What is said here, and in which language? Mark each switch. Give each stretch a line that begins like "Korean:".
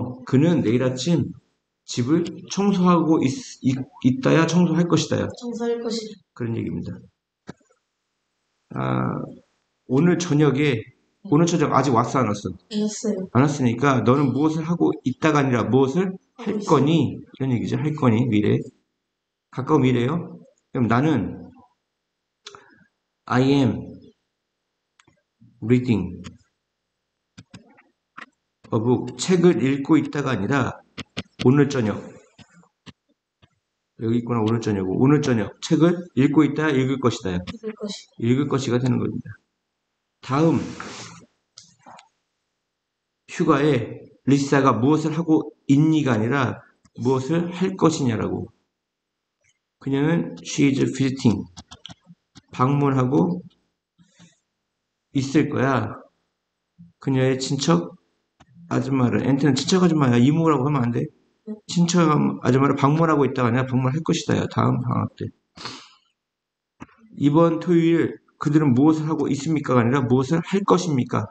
Korean: 그는 내일 아침 집을 청소하고 있다야 청소할 것이다야. 청소할 것이냐? 그런 얘기입니다. 오늘 저녁에, 오늘 저녁 아직 왔어, 안 왔어? 알았어요. 안 왔으니까 너는 무엇을 하고 있다가 아니라 무엇을 할 하고 있어요. 거니? 이런 얘기죠. 할 거니? 미래. 가까운 미래요? 그럼 나는
English: I am reading a book.
Korean: 책을 읽고 있다가 아니라 오늘 저녁. 여기 있구나. 오늘 저녁. 오늘 저녁. 책을 읽고 있다. 읽을 것이다. 될 것이. 읽을 것이가 되는 겁니다. 다음 휴가에 리사가 무엇을 하고 있니가 아니라 무엇을 할 것이냐라고. 그녀는
English: she is visiting.
Korean: 방문하고 있을 거야. 그녀의 친척 아줌마를, 엔트는 친척 아줌마야. 이모라고 하면 안 돼. 친척 아줌마를 방문하고 있다가 아니라 방문할 것이다. 다음 방학 때. 이번 토요일 그들은 무엇을 하고 있습니까가 아니라 무엇을 할 것입니까?